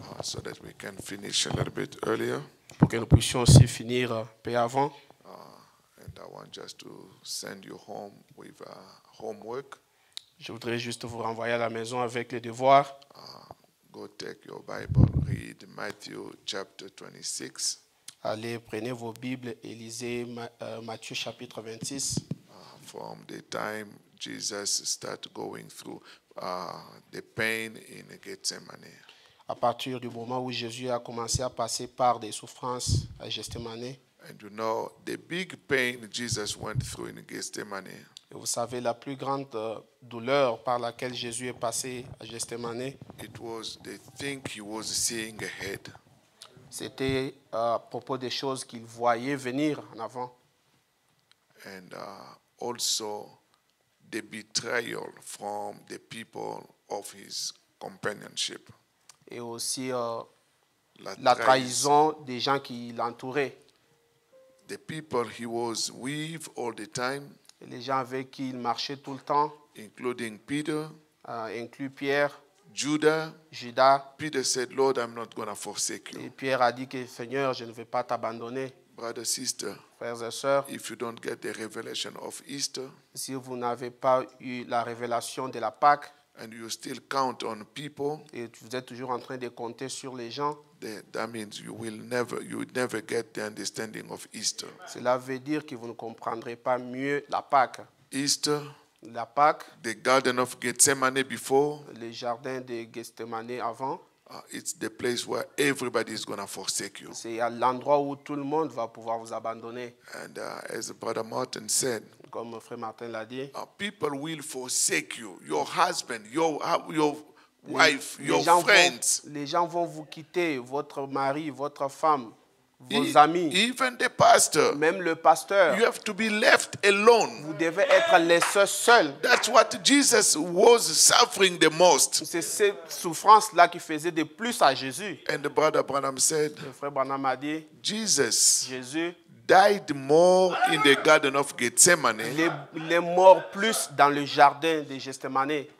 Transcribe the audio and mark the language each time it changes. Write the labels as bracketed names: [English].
[English] So that we can finish a little bit earlier. [French] Pour que nous puissions aussi finir peu avant. [English] And I want just to send you home with homework. [French] Je voudrais juste vous renvoyer à la maison avec les devoirs. [English] Go take your Bible, read Matthew chapter 26. [French] Allez, prenez vos Bibles et lisez Matthieu chapitre 26. [English] From the time Jesus started going through the pain in Gethsemane. [French] À partir du moment où Jésus a commencé à passer par des souffrances à Gethsemane. [English] And you know the big pain Jesus went through in Gethsemane. [French] Vous savez, la plus grande douleur par laquelle Jésus est passé à Gethsemane, [English] it was the thing he was seeing ahead. [French] C'était à propos des choses qu'il voyait venir en avant. [English] And also the betrayal from the people of his companionship. [French] Et aussi la trahison des gens qui l'entouraient. [English] The people he was with all the time. [French] Les gens avec qui il marchait tout le temps, [English] including Peter, [French] inclut Pierre, [English] Judas. Peter said, "Lord, I'm not going to forsake you." [French] Et Pierre a dit que Seigneur, je ne vais pas t'abandonner. [English] Brother, sister, [French] frères et sœurs, [English] if you don't get the revelation of Easter, [French] si vous n'avez pas eu la révélation de la Pâque, [English] and you still count on people, [French] et vous êtes toujours en train de compter sur les gens. [English] That means you will never get the understanding of Easter. [French] Cela veut dire que vous ne comprendrez pas mieux la Pâque. [English] Easter, [French] la Pâque, [English] the Garden of Gethsemane before, [French] le jardin de Gethsemane avant. [English] It's the place where everybody is going to forsake you. [French] C'est à l'endroit où tout le monde va pouvoir vous abandonner. [English] And as Brother Martin said, [French] comme Frère Martin l'a dit, [English] people will forsake you, your husband, your wife, your friends. [French] Les gens vont vous quitter, votre mari, votre femme, vos amis. [English] Even the pastor. [French] Même le pasteur. [English] You have to be left alone. [French] Vous devez être laissé seul. [English] That's what Jesus was suffering the most. [French] C'est cette souffrance-là qui faisait de plus à Jésus. [English] And the brother Branham said, [French] le frère Branham a dit, [English] Jésus died more in the Garden of Gethsemane. [French] Il est mort plus dans le jardin de Gethsemane.